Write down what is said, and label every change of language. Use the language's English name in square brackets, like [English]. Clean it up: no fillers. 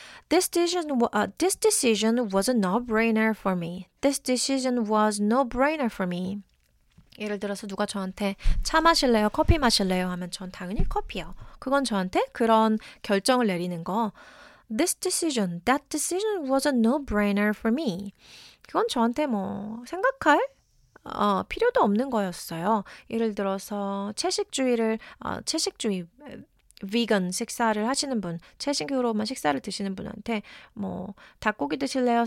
[English] This decision was a no-brainer for me. This decision was no-brainer for me. [Korean] 예를 들어서 누가 저한테 차 마실래요? 커피 마실래요? 하면 전 당연히 커피요. 그건 저한테 그런 결정을 내리는 거. [English] That decision was a no-brainer for me. [Korean] 그건 저한테 뭐 생각할 필요도 없는 거였어요. 예를 들어서 채식주의 vegan 식사를 하시는 분, 채식으로만 식사를 드시는 분한테 뭐 닭고기 드실래요?